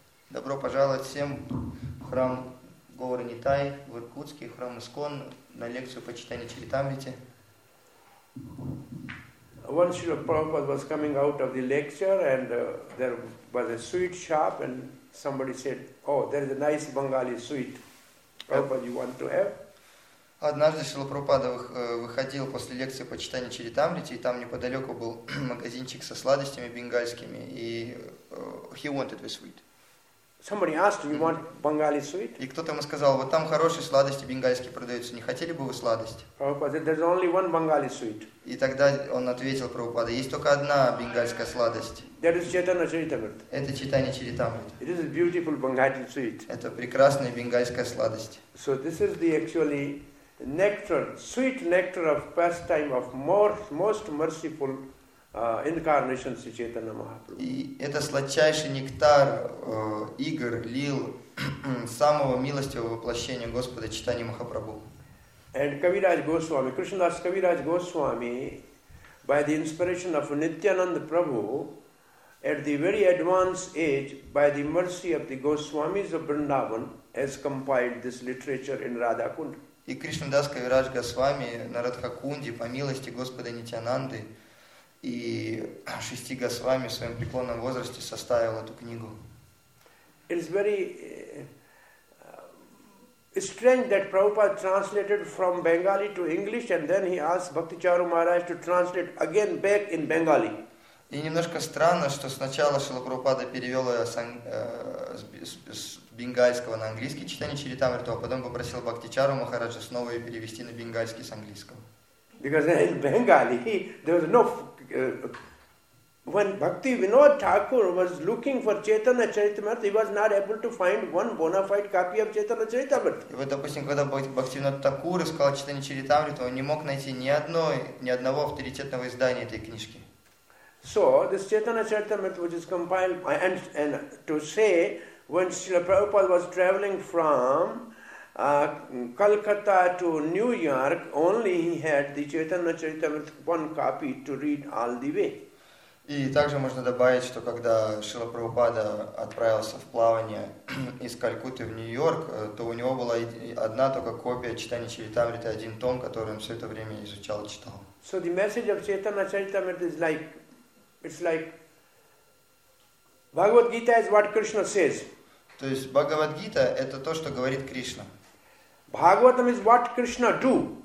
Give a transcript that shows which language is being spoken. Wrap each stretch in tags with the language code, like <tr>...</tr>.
<ru>Добро пожаловать всем в храм Гоура Нитай в Иркутске, храм Искон, на лекцию по читанию Чаритамрити.</ru> <en>Once Srila Prabhupada was coming out of the lecture and there was a sweet shop and somebody said, oh, there is a nice Bengali sweet. Prabhupada, you want to have?</en> <ru>Однажды Шрила Прабхупада выходил после лекции по читанию Чаритамрити, и там неподалеку был магазинчик со сладостями бенгальскими, и</ru> <en>he wanted the sweet. Somebody asked, you want Bengali sweet?</en> <ru>И кто-то ему сказал, вот там хорошие сладости бенгальские продаются, не хотели бы вы сладость?</ru> <en>Prabhupada said, there's only one Bengali sweet.</en> <ru>И тогда он ответил Прабхупада, есть только одна бенгальская сладость.</ru> <en>That is Chaitanya Charitamrita.</en> <ru>Это читание Чаритамрита.</ru> <en>It is a beautiful Bengali sweet.</en> <ru>Это прекрасная бенгальская сладость.</ru> <en>So this is the actually nectar, sweet nectar of pastime of most merciful incarnation Sri Chaitanya Mahaprabhu.</en> <ru>И это сладчайший нектар игр лил самого милостивого воплощения Господа Чайтанья Махапрабху.</ru> <en>And Kaviraj Goswami, Krishnadas Kaviraj Goswami, by the inspiration of Nityananda Prabhu, at the very advanced age, by the mercy of the Goswamis of Vrindavan, has compiled this literature in Radha Kund.</en> <ru>И Кришнадас Кавирадж Госвами на Радхакунде, по милости Господа Нитянанды и шести Госвами в своем преклонном возрасте составил эту книгу.</ru> <en>It's very strange that Prabhupada translated from Bengali to English and then he asked Bhakticharu Maharaj to translate again back in Bengali.</en> <ru>И немножко странно, что сначала Шрила Прабхупада перевел ее с бенгальского на английский читание Чаритамриту, а потом попросил Бхактичару Махараджа снова ее перевести на бенгальский с английского.</ru> <en>Because in Bengali, there was no... When Bhakti Vinod Thakur was looking for Chaitanya Charitamrita, he was not able to find one bona fide copy of Chaitanya Charitamrita.</en> <ru>И вот, допустим, когда Бхакти Винод Такур искал читание Чаритамриту, он не мог найти ни одного авторитетного издания этой книжки.</ru> <en>So, this Chaitanya Charitamrita, which is compiled, and to say, when Srila Prabhupada was traveling from Calcutta to New York, only he had the Chaitanya Charitamrita one copy to read all the way.</en> <ru>И также можно добавить, что когда Шрила Прабхупада отправился в плавание из Калькутты в Нью-Йорк, то у него была одна только копия читания Чаритамриты, один том, который он все это время изучал и читал.</ru> <en>So, the message of Chaitanya Charitamrita is like, it's like Bhagavad Gita is what Krishna says.</en> <ru>То есть Бхагавад Гита это то, что говорит Кришна.</ru> <en>Bhagavatam is what Krishna do.</en>